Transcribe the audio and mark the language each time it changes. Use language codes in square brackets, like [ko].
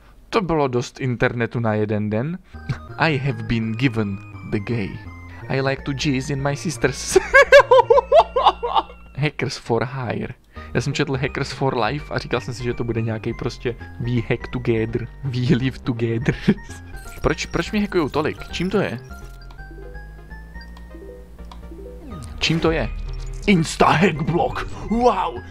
[cs] To bylo dost internetu na jeden den. [en] I have been given the gay. I like to jizz in my sister's. Hackers for hire. [cs] Já jsem četl Hackers for life a říkal jsem si, že to bude nějaký prostě [en] we hack together. We live together. [cs] Proč mě hackujou tolik? Čím to je? Čím to je? Insta hack block. Wow.